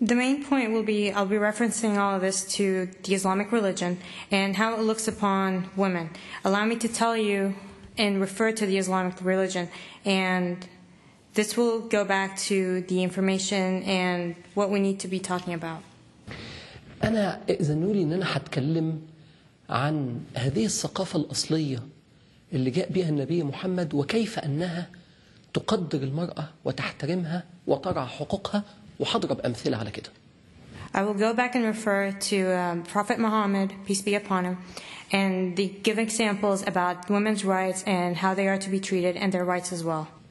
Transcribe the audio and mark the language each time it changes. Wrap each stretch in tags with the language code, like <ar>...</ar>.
<en>The main point will be, I'll be referencing all of this to the Islamic religion and how it looks upon women. Allow me to tell you and refer to the Islamic religion, and this will go back to the information and what we need to be talking about.</en> <ar>أنا إذنوا لي إن أنا هتكلم عن هذه الثقافة الأصلية اللي جاء بها النبي محمد وكيف أنها تقدر المرأة وتحترمها وترعى حقوقها وحضرب أمثلة على كده.</ar> <en>I will go back and refer to Prophet Muhammad, peace be upon him, and the give examples about women's rights and how they are to be treated and their rights as well.</en>